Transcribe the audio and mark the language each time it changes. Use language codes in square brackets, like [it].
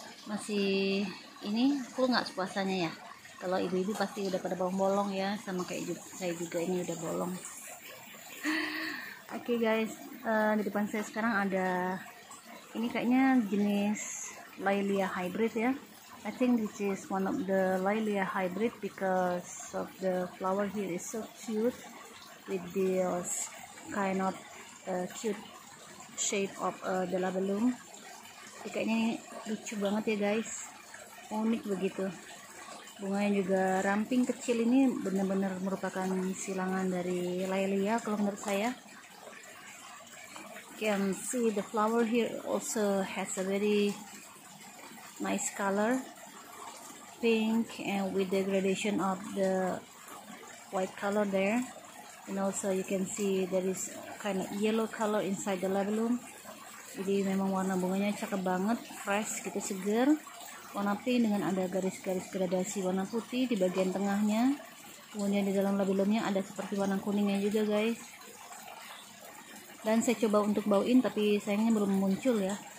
[id] Masih ini full nggak puasanya ya? Kalau ibu-ibu pasti udah pada bolong-bolong ya, sama kayak saya juga ini udah bolong. Oke guys, di depan saya sekarang ada ini kayaknya jenis Lilia hybrid ya. [en] I think this is one of the Lilia hybrid because of the flower here is so cute with this kind of cute shape of the labellum. [id] Kayaknya ini lucu banget ya guys, unik begitu. Bunganya juga ramping kecil, ini benar-benar merupakan silangan dari Lilia kalau menurut saya. [en] Can see the flower here also has a very nice color, pink and with the gradation of the white color there, and also you can see there is kind of yellow color inside the labellum. [id] Jadi memang warna bunganya cakep banget, fresh gitu, segar, warna pink dengan ada garis-garis gradasi warna putih di bagian tengahnya. Kemudian di dalam labellumnya ada seperti warna kuningnya juga guys. Dan saya coba untuk bauin tapi sayangnya belum muncul ya.